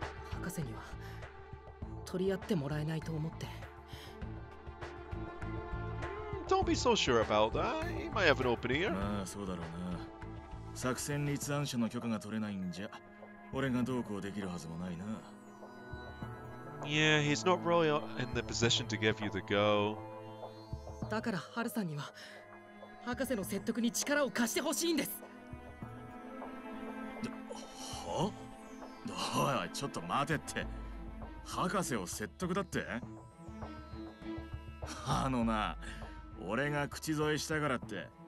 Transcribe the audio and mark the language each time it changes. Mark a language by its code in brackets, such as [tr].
[ja] 博士には取り合ってもらえないと思って。 [en] Don't be so sure about that. He might have an open ear. [ja] まあそうだろうな。作戦立案者の許可が取れないんじゃ、俺がどうこうできるはずもないな。 [en] Yeah, he's not really in the position to give you the go. [ja] だからハルさんには博士の説得に力を貸してほしいんです。は？おい、ちょっと待てって。博士を説得だって？あのな。俺が口添えしたからって